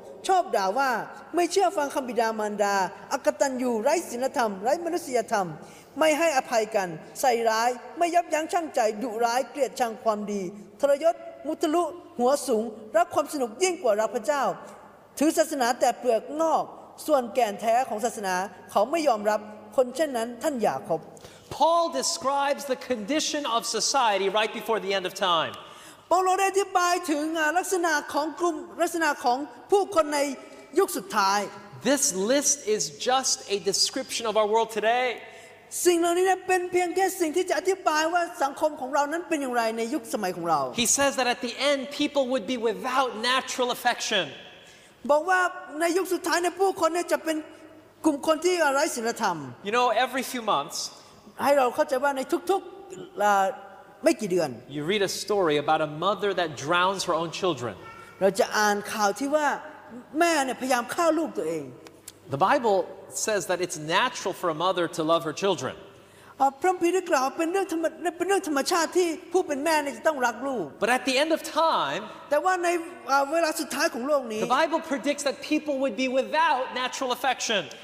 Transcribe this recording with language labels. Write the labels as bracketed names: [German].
[Thai] ชอบด่าว่าไม่เชื่อฟังคำบิดามารดาอกตัญญูไร้ศีลธรรมไร้มนุษยธรรมไม่ให้อภัยกันใส่ร้ายไม่ยับยั้งชั่งใจดุร้ายเกลียดชังความดีทรยศมุทะลุหัวสูงรักความสนุกยิ่งกว่ารักพระเจ้าถือศาสนาแต่เปลือกนอกส่วนแก่นแท้ของศาสนาเขาไม่ยอมรับคนเช่นนั้นท่านอย่าคบ [English] Paul describes the condition of society right before the end of time [Thai] เปาโลได้อธิบายถึงลักษณะของกลุ่มลักษณะของผู้คนในยุคสุดท้าย [English] This list is just a description of our world today [Thai] สิ่งเหล่านี้เป็นเพียงแค่สิ่งที่จะอธิบายว่าสังคมของเรานั้นเป็นอย่างไรในยุคสมัยของเรา [English] He says that at the end people would be without natural affection [Thai] บอกว่าในยุคสุดท้ายในผู้คนเนี่ยจะเป็นกลุ่มคนที่ไร้ศีลธรรม [English] You know every few months [Thai] ให้เราเข้าใจว่าในทุกๆไม่กี่เดือน [English] You read a story about a mother that drowns her own children [Thai] เราจะอ่านข่าวที่ว่าแม่เนี่ยพยายามฆ่าลูกตัวเอง [English] The Bible says that it's natural for a mother to love her children [Thai] พระคัมภีร์กล่าวเป็นเรื่องธรรมชาติที่ผู้เป็นแม่เนี่ยจะต้องรักลูก [English] But at the end of time [Thai] แต่ว่าในเวลาสุดท้ายของโลกนี้ [English] The Bible predicts that people would be without natural affection